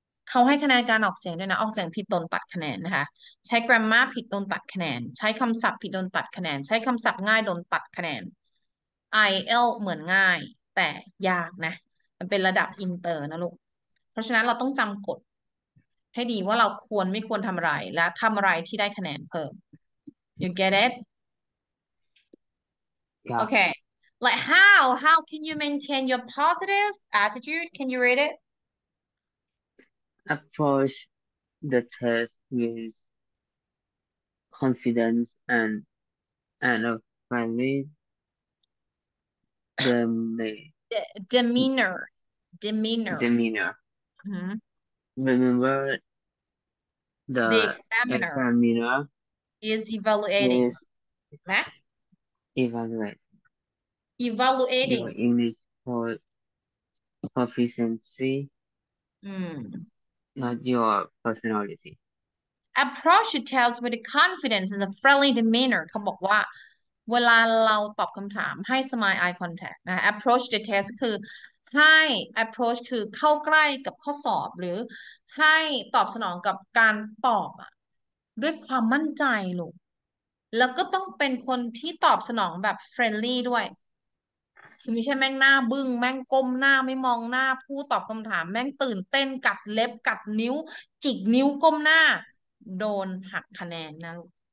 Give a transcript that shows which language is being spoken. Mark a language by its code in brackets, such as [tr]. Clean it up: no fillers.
[th] เขาให้คะแนนการออกเสียงด้วยนะออกเสียงผิดโดนตัดคะแนนนะคะใช้ grammar ผิดโดนตัดคะแนนใช้คำศัพท์ผิดโดนตัดคะแนนใช้คำศัพท์ง่ายโดนตัดคะแนน IL เหมือนง่ายแต่ยากนะมันเป็นระดับอินเตอร์นะลูกเพราะฉะนั้นเราต้องจำกฎให้ดีว่าเราควรไม่ควรทำอะไรและทำอะไรที่ได้คะแนนเพิ่ม [en] You get it Yeah. okay like how can you maintain your positive attitude can you read it Approach the test with confidence and a friendly demeanor. demeanor. Mm-hmm. Remember, the The examiner examiner is evaluating. is Meh? evaluate. Your Evaluating. English proficiency, not your personality. Approach the test with the confidence and the friendly demeanor. [th] เขาบอกว่าเวลาเราตอบคำถามให้ smile eye contact นะ approach the test คือให้ approach คือเข้าใกล้กับข้อสอบหรือให้ตอบสนองกับการตอบอ่ะด้วยความมั่นใจลูกแล้วก็ต้องเป็นคนที่ตอบสนองแบบ friendly ด้วยคือไม่ใช่แม่งหน้าบึ้งแม่งก้มหน้าไม่มองหน้าผู้ตอบคำถามแม่งตื่นเต้นกัดเล็บกัดนิ้วจิกนิ้วก้มหน้าโดนหักคะแนนนะลูก